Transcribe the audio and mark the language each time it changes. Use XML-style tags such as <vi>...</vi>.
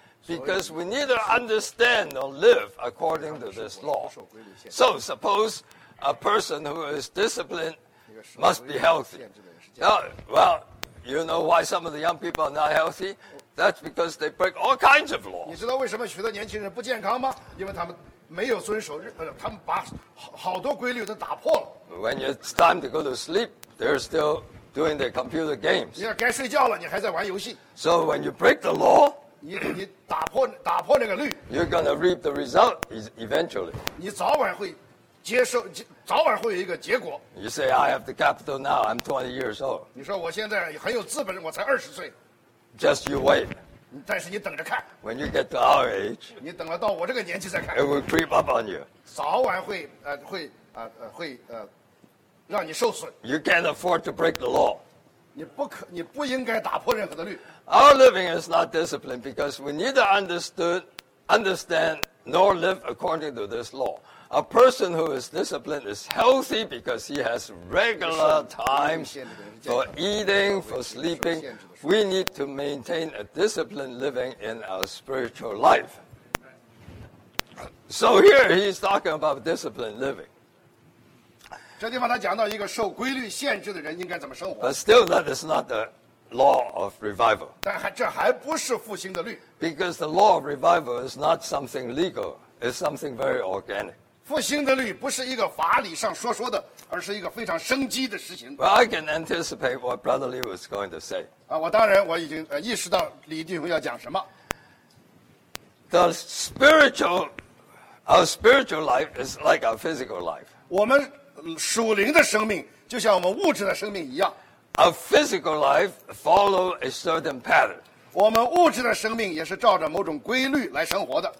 <en>Because we neither understand nor live according to this law. So suppose a person who is disciplined must be healthy. Well, you know why some of the young people are not healthy? That's because they break all kinds of laws.</en> <zh>你知道为什么许多年轻人不健康吗？因为他们没有遵守，他们把好多规律都打破了。</zh> <en>When it's time to go to sleep,They're still doing their computer games.</en> <zh>你要该睡觉了，你还在玩游戏。</zh> <en>So when you break the law,</en> <zh>你打破那个律</zh> <en>，you're gonna reap the result eventually.</en> <zh>你早晚会接受，早晚会有一个结果。</zh> <en>You say I have the capital now. I'm 20 years old.</en> <zh>你说我现在很有资本，我才二十岁。</zh> <en>Just you wait.</en> <zh>但是你等着看。</zh> <en>When you get to our age,</en> <zh>你等了到我这个年纪再看。</zh> <en>It will creep up on you.</en> <zh>早晚会让你受损。</zh> <en>You can't afford to break the law.</en> <zh>你不应该打破任何的律。</zh> <en>Our living is not disciplined because we neither understand nor live according to this law. A person who is disciplined is healthy because he has regular times for eating, for sleeping. We need to maintain a disciplined living in our spiritual life. So here he's talking about disciplined living.</en> <zh>这地方他讲到一个受规律限制的人应该怎么生活。</zh> <en>But still, that is not the law of revival.</en> <zh>但这还不是复兴的律。</zh> <en>Because the law of revival is not something legal; it's something very organic.</en> <zh>复兴的律不是一个法理上说说的，而是一个非常生机的事情。</zh> <en>Well, I can anticipate what Brother Lee was going to say.</en> <zh>我当然我已经意识到李弟兄要讲什么。</zh> <en>The spiritual, our spiritual life is like our physical life.</en> <zh>我们属灵的生命就像我们物质的生命一样。</zh> <en>A physical life follows a certain pattern.</en> <zh>我们物质的生命也是照着某种规律来生活的。</zh>